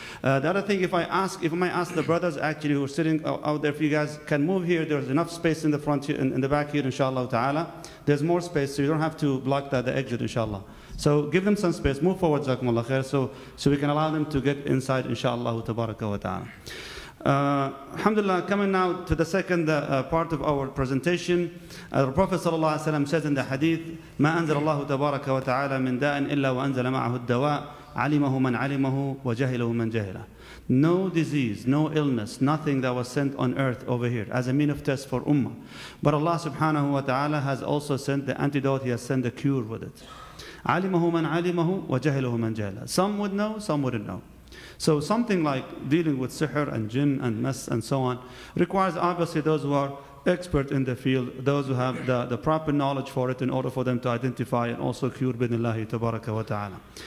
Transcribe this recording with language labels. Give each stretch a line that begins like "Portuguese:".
English: The other thing, if I ask the brothers actually who are sitting out there, if you guys can move here, there's enough space in the front here, in the back here, inshallah ta'ala. There's more space, so you don't have to block the exit, inshallah. So give them some space, move forward, jazakumullah khair, so we can allow them to get inside, inshallah tabaraka wa ta'ala. Alhamdulillah, coming now to the second part of our presentation. The Prophet sallallahu alaihi wasallam says in the hadith,
Arabic: ما أنزل الله تبارك وتعالى من داء إلا وأنزل معه الدواء علمه من علمه وجهله من جهله.
English: No disease, no illness, nothing that was sent on earth over here as a mean of test for ummah. But Allah subhanahu wa ta'ala has also sent the antidote, He has sent the cure with it.
Arabic: عَلِمَهُ مَنْ عَلِمَهُ وَجَهِلُهُ مَنْ جَهِلَ.
English: Some would know, some wouldn't know. So something like dealing with sihr and jinn and mess and so on requires obviously those who are expert in the field, those who have the proper knowledge for it in order for them to identify and also cure bidnillahi tabaraka wa ta'ala.